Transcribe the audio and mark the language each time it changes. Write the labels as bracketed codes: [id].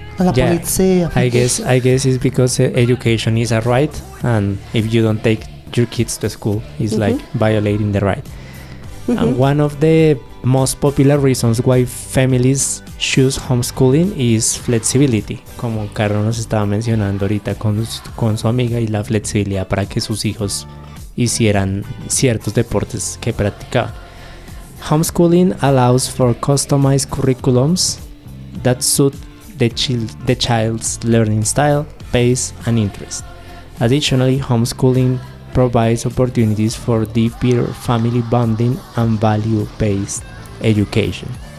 [it] La Polizia. [en] I guess it's because education is a right, and if you don't take your kids to school, it's like violating the right. Mm-hmm. And one of the most popular reasons why families choose homeschooling is flexibility. [es] Como Carlos nos estaba mencionando ahorita con su amiga, y la flexibilidad para que sus hijos hicieran ciertos deportes que practicaba. [en] Homeschooling allows for customized curriculums that suit the child's learning style, pace, and interest. Additionally, homeschooling provides opportunities for deeper family bonding and value-based education.